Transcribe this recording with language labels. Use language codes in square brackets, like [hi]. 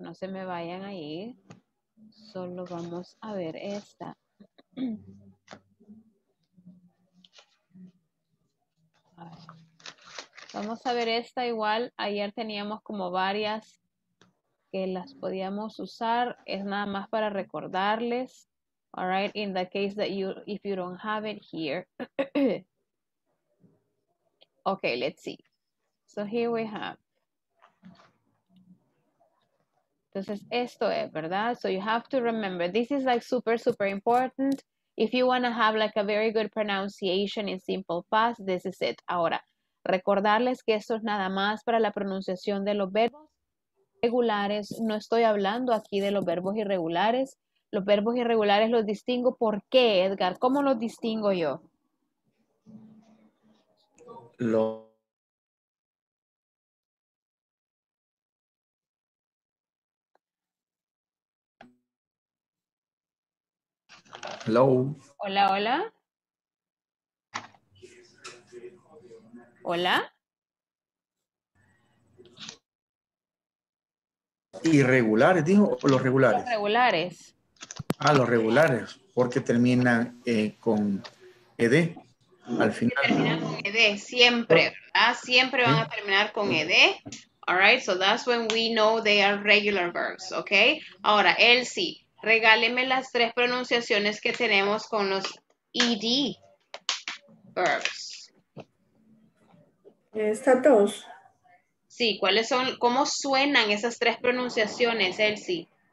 [es] No se me vayan ahí. Solo vamos a ver esta. Vamos a ver esta igual. Ayer teníamos como varias que las podíamos usar. Es nada más para recordarles. [en] All right, in the case that you, if you don't have it here. Okay, let's see. So here we have. [es] Entonces, esto es, ¿verdad? [en] So you have to remember, this is like super, super important. If you want to have like a very good pronunciation in simple past, this is it. [es] Ahora, recordarles que esto es nada más para la pronunciación de los verbos regulares. No estoy hablando aquí de los verbos irregulares. Los verbos irregulares los distingo. ¿Por qué, Edgar? ¿Cómo los distingo yo? [en] Hello. [es] Hola, hola. Hola. Irregulares, dijo, o los regulares. Los regulares. Ah, los regulares, porque terminan con ED al final. Terminan con ED, siempre, ¿verdad? Siempre van a terminar con ED. [en] All right, so that's when we know they are regular verbs, ¿ok? [es] Ahora, Elsie, regáleme las tres pronunciaciones que tenemos con los ED verbs. Okay. Está todos. Sí, ¿cuáles son? ¿Cómo suenan esas tres pronunciaciones, Elsie?